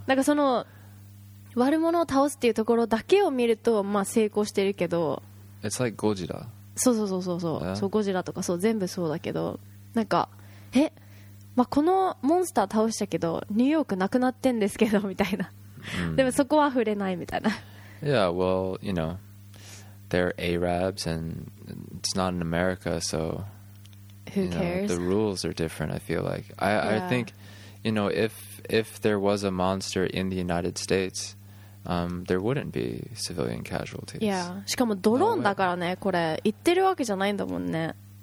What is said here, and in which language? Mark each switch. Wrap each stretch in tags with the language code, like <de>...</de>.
<ja>なんかその悪者を倒すっていうところだけを見ると、まあ、成功してるけど、</ja> <en>It's like ゴジラ。</en> <ja>そうそうそうそう、yeah. そうゴジラとか、そう全部そうだけど、なんかえ、まあ、このモンスター倒したけどニューヨークなくなってんですけどみたいな、でもそこは触れないみたいな。</ja> <en>Yeah, well, you know, they're Arabs and it's not in America, so who cares? The rules are different, I feel like. I think, you know, if there was a monster in the United States, there wouldn't be civilian casualties.</en> <ja>Yeah, しかもドローンだからね、これ言ってるわけじゃないんだもんね。</ja>